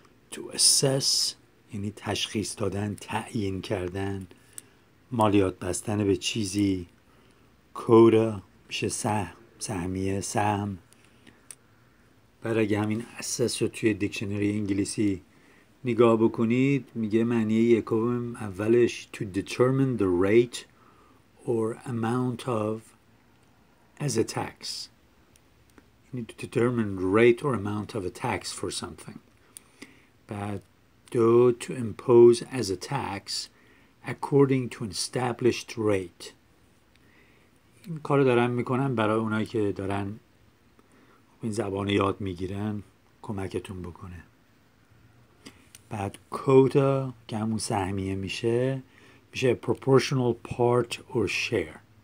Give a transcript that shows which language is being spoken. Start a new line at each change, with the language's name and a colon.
Persian: To assess یعنی تشخیص دادن، تعیین کردن، مالیات بستن به چیزی، کورا میشه سهم، سهمیه، سهم. برای اگه همین assess رو توی دیکشنری انگلیسی نگاه بکنید میگه معنی یکم اولش
English: to determine the rate or amount of as a tax. Need to determine rate or amount of a tax for something. But do to impose as a tax according to an established rate.
Persian: این کارو دارن میکنن برای اونایی که دارن این زبان یاد میگیرن کمکتون بکنه. بعد quota که همون سهمیه میشه میشه
English: proportional part or share.